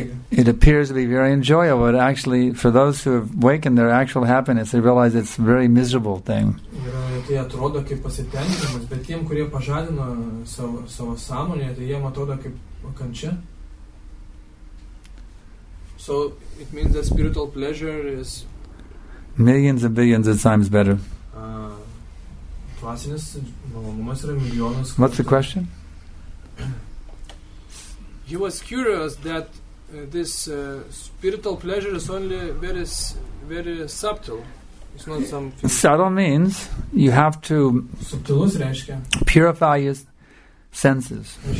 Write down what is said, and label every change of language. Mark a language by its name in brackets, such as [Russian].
[English] It appears to be very enjoyable, but actually for those who have awakened their actual happiness, they realize it's a very miserable thing. [Lithuanian] Tai atrodo kaip pasitenkinimas, bet tiem, kurie pažadino savo sąmonę, tai jiem atrodo kaip kančia. [English] So it means that spiritual pleasure is millions and billions of times better. [Lithuanian] Dvasinis malonumas yra milijonas. [English] What's the question? He was curious that this spiritual pleasure is only very, very subtle. Subtle means you have to purify your senses.